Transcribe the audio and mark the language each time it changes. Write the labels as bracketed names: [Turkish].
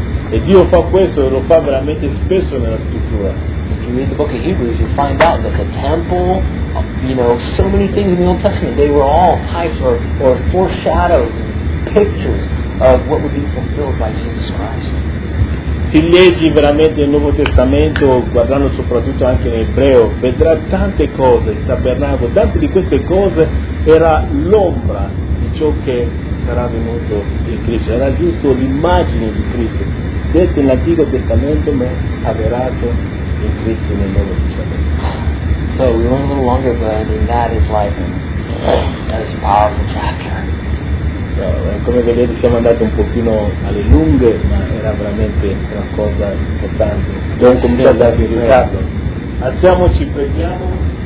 [Italian] E Dio fa questo, lo fa veramente spesso nella scrittura. [English] If you read the book of Hebrews, you find out that the temple, you know, so many things in the Old Testament, they were all types or foreshadows, pictures of what would be fulfilled by Jesus Christ. [Italian] Se leggi veramente il Nuovo Testamento, guardando soprattutto anche in Ebreo, vedrà tante cose, il tabernacolo, tante di queste cose era l'ombra di ciò che sarà venuto in Cristo, era giusto l'immagine di Cristo, detto nell'Antico Testamento, ma avverato in Cristo nel Nuovo Testamento. [English] So we went a little longer, but I mean that is like that is a powerful chapter. [Italian] Come vedete siamo andati un pochino alle lunghe, ma era veramente una cosa importante. Abbiamo cominciato a darvi il ritardo. Alziamoci, prendiamo.